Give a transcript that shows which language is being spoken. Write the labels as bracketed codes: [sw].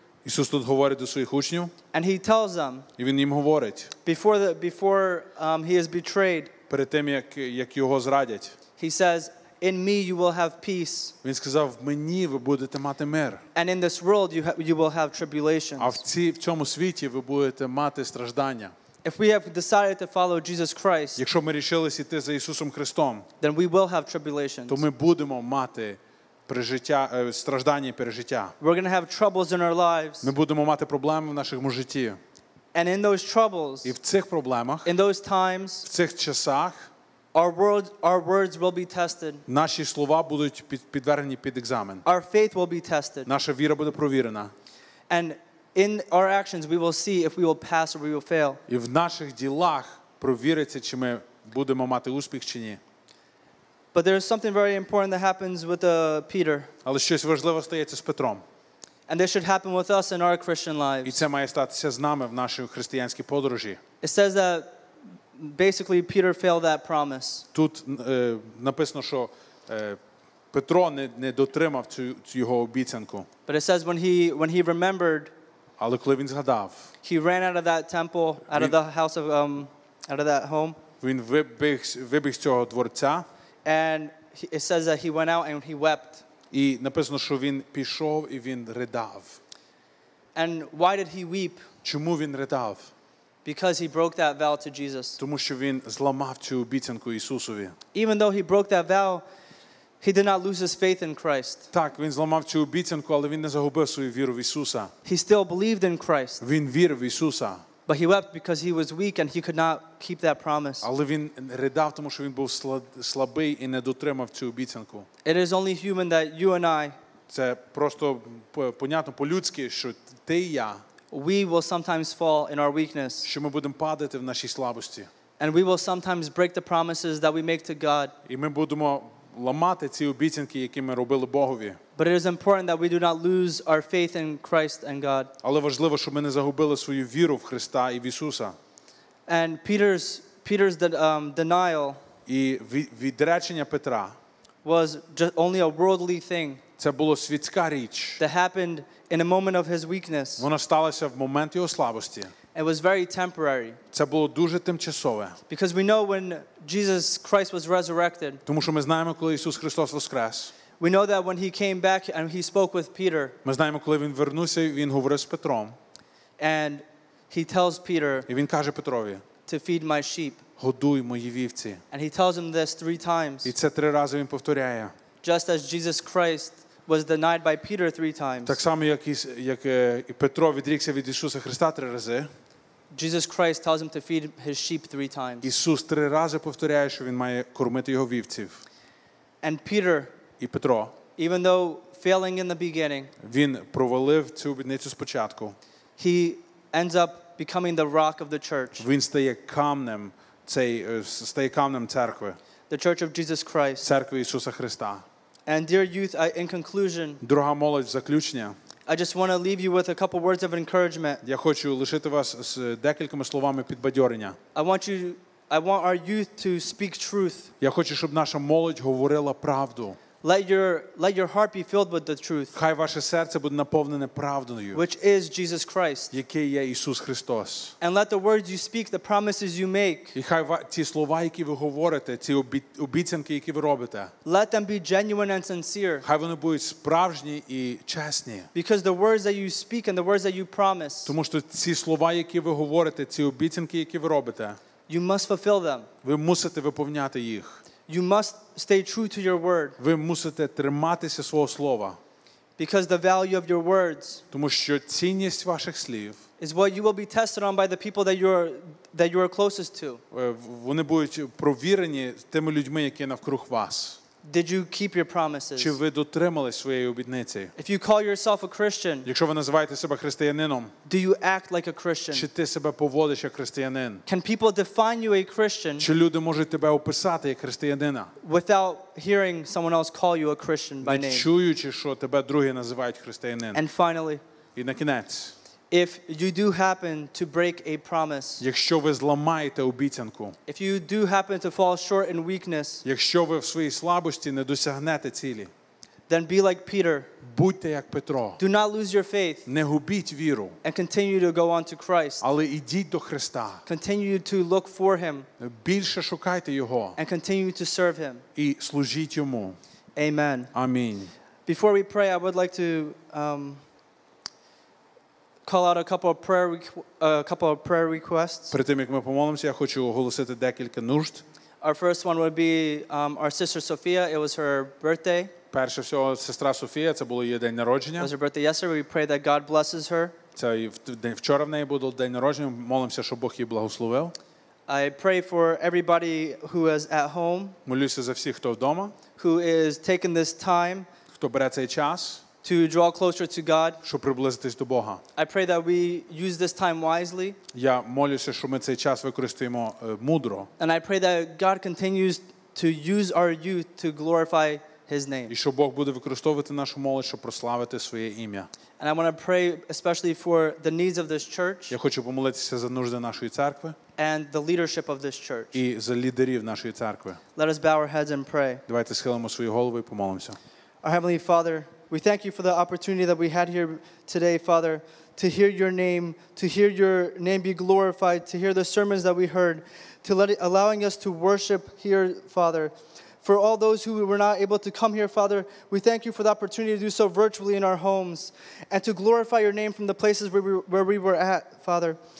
[uk] Ісус тут говорить до своїх учнів. [en] And he tells them. [uk] І він їм говорить. [en] Before he is betrayed. [uk] Перед тим як його зрадять. [en] He says, "In me you will have peace." [uk] Він сказав, мені ви будете мати мир. [en] And in this world you will have tribulations. [uk] А в цьому світі ви будете мати страждання. [en] If we have decided to follow Jesus Christ. [uk] Якщо ми рішились іти за Ісусом Христом. [en] Then we will have tribulations. [uk] То ми будемо мати пережиття, страждання і пережиття. [en] We're going to have troubles in our lives. [uk] Ми будемо мати проблеми в нашому житті. [en] And in those troubles, [uk] і в цих проблемах, [en] in those times, [uk] в цих часах, [en] our words will be tested. [uk] Наші слова будуть підвергнені під екзамен. [en] Our faith will be tested. [uk] Наша віра буде провірена. [en] And in our actions, we will see if we will pass or we will fail. [uk] І в наших ділах провіриться, чи ми будемо мати успіх чи ні. [en] But there is something very important that happens with Peter. [uk] Але щось важливе стається з Петром. [en] And this should happen with us in our Christian lives. [uk] І це має статися з нами в нашій християнській подорожі. [en] It says that basically Peter failed that promise. [uk] Тут написано, що Петро не дотримав цю його обіцянку. [en] But it says when he remembered, [uk] але коли він згадав, [en] he ran out of that temple, out of the house of out of that home. [uk] Він вибіг з цього дворця. [en] And it says that he went out and he wept. [uk] І написано, що він пішов і він ридав. [en] And why did he weep? [uk] Чому він ридав? [en] Because he broke that vow to Jesus. [uk] Тому що він зламав цю обіцянку Ісусові. [en] Even though he broke that vow, he did not lose his faith in Christ. [uk] Так, він зламав цю обіцянку, але він не загубив свою віру в Ісуса. [en] He still believed in Christ. [uk] Він вірив в Ісуса. [en] But he wept because he was weak and he could not keep that promise. [uk] Але він ридав, тому що він був слабий і не дотримав цю обіцянку. [en] It is only human that you and I, [uk] це просто понятно по-людськи, що ти і я, [en] we will sometimes fall in our weakness. [uk] Що ми будемо падати в нашій слабості. [en] And we will sometimes break the promises that we make to God. [uk] І ми будемо ламати ці обіцянки, які ми робили Богові. [en] But it is important that we do not lose our faith in Christ and God. [uk] Але важливо, щоб ми не загубили свою віру в Христа і в Ісуса. [en] And Peter's denial, [uk] і відречення Петра, [en] was just only a worldly thing. [uk] Це було світська річ. [en] That happened in a moment of his weakness. [uk] Воно сталося в момент його слабості. [en] It was very temporary. [uk] Це було дуже тимчасове. [en] Because we know when Jesus Christ was resurrected. [uk] Тому що ми знаємо, коли Ісус Христос воскрес. [en] We know that when he came back and he spoke with Peter. [uk] Ми знаємо, коли він вернувся, він говорив з Петром. [en] And he tells Peter. [uk] І він каже Петрові. [en] To feed my sheep. [uk] Годуй мої вівці. [en] And he tells him this three times. [uk] І це три рази він повторяє. [en] Just as Jesus Christ was denied by Peter three times. [uk] Так само як і Петро відрікся від Ісуса Христа три рази. [en] Jesus Christ tells him to feed his sheep three times. [uk] Ісус три рази повторяє, що він має кормити його вівців. [en] And Peter, [uk] і Петро, [en] even though failing in the beginning, [uk] він провалив цю обітницю спочатку. [en] He ends up becoming the rock of the church. [uk] Він стає камнем церкви. [en] The church of Jesus Christ. [uk] Церкви Ісуса Христа. [en] And dear youth, in conclusion, [uk] друга молодь, заключення, [en] I just want to leave you with a couple words of encouragement. [uk] Я хочу лишити вас з декількома словами підбадьорення. [en] I want our youth to speak truth. [uk] Я хочу, щоб наша молодь говорила правду. [en] Let your heart be filled with the truth. [uk] Хай ваше серце буде наповнене правдою. [en] Which is Jesus Christ. [uk] Який є Ісус Христос. [en] And let the words you speak, the promises you make. [uk] І хай ті слова, які ви говорите, ці обіцянки, які ви робите. [en] Let them be genuine and sincere. [uk] Хай вони будуть справжні і чесні. [en] Because the words that you speak and the words that you promise. [uk] Тому що ці слова, які ви говорите, ці обіцянки, які ви робите. [en] You must fulfill them. [uk] Ви мусите виповняти їх. [en] You must stay true to your word. [uk] Ви мусите триматися свого слова. [en] Because the value of your words, [uk] тому що цінність ваших слів, [en] is what you will be tested on by the people that you are closest to. [uk] Вони будуть провірені тими людьми, які навкруг вас. [en] Did you keep your promises? [uk] Чи ви дотримали своєї обітниці? [en] If you call yourself a Christian, [uk] якщо ви називаєте себе християнином, [en] do you act like a Christian? [uk] Чи ти себе поводиш як християнин? [en] Can people define you a Christian? [uk] Чи люди можуть тебе описати як християнина? [en] Without hearing someone else call you a Christian by name. [uk] Не чуючи, що тебе другі називають християнином. [en] And finally, [uk] і на кінець, [en] if you do happen to break a promise, [uk] якщо ви зламаєте обіцянку, [en] if you do happen to fall short in weakness, [uk] якщо ви в своїй слабості не досягнете цілі, [en] then be like Peter, [uk] будьте як Петро, [en] do not lose your faith, [uk] не губіть віру, [en] and continue to go on to Christ, [uk] але ідіть до Христа, [en] continue to look for him, [uk] більше шукайте його, [en] and continue to serve him, [uk] і служіть йому. [en] Amen. [uk] Амінь. [en] Before we pray, I would like to call out a couple of prayer requests. [uk] Перед тим, як ми помолимося, я хочу оголосити декілька нужд. [en] Our first one would be our sister Sophia. It was her birthday. [uk] Перше всього, сестра Софія, це було її день народження. [en] It was her birthday yesterday. We pray that God blesses her. [uk] Це і вчора в неї було день народження. Молимося, щоб Бог її благословив. [en] I pray for everybody who is at home. [uk] Молюся за всіх, хто вдома. [en] Who is taking this time? [uk] Хто бере цей час? [en] To draw closer to God. [uk] Щоб приблизитись до Бога. [en] I pray that we use this time wisely. [uk] Я молюся, щоб ми цей час використаємо мудро. [en] And I pray that God continues to use our youth to glorify His name. [uk] І щоб Бог буде використовувати нашу молодь, щоб прославити своє ім'я. [en] And I want to pray especially for the needs of this church. [uk] Я хочу помолитися за нужди нашої церкви. [en] And the leadership of this church. [uk] І за лідерів нашої церкви. [en] Let us bow our heads and pray. [uk] Давайте схилимо свої голови і помолимося. [en] Our Heavenly Father, we thank you for the opportunity that we had here today, Father, to hear your name, to hear your name be glorified, to hear the sermons that we heard, to allowing us to worship here, Father. For all those who were not able to come here, Father, we thank you for the opportunity to do so virtually in our homes and to glorify your name from the places where we were at, Father.